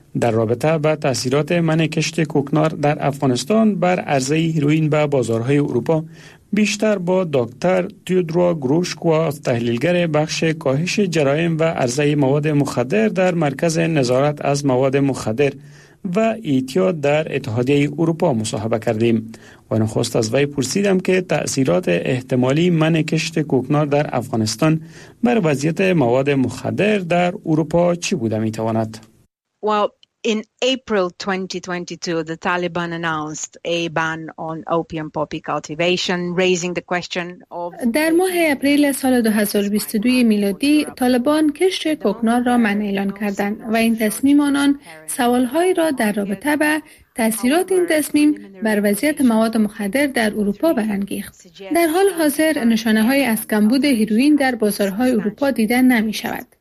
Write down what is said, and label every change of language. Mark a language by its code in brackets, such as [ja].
[fa] در رابطه با تأثیرات منع کشت کوکنار در افغانستان بر عرضه هیروئین به بازارهای اروپا، بیشتر با دکتر تیودرو گروشکوا، تحلیلگر بخش کاهش جرایم و عرضه مواد مخدر در مرکز نظارت از مواد مخدر و ایتیاد در اتحادیه اروپا مصاحبه کردیم و نخست از وی پرسیدم که تأثیرات احتمالی منع کشت کوکنار در افغانستان بر وضعیت مواد مخدر در اروپا چی بوده میتواند؟ [en] In April 2022, the Taliban announced a ban on opium poppy cultivation, raising the question of. [fa] در ماه اپریل سال 2022 میلادی، طالبان کشت کوکنار را منع اعلان کردند و این تصمیم آنان سوالهای را در رابطه با تأثیرات این تصمیم بر وضعیت مواد مخدر در اروپا برانگیخت. در حال حاضر نشانه های از کمبود هیروئین در بازارهای اروپا دیده نمی شود.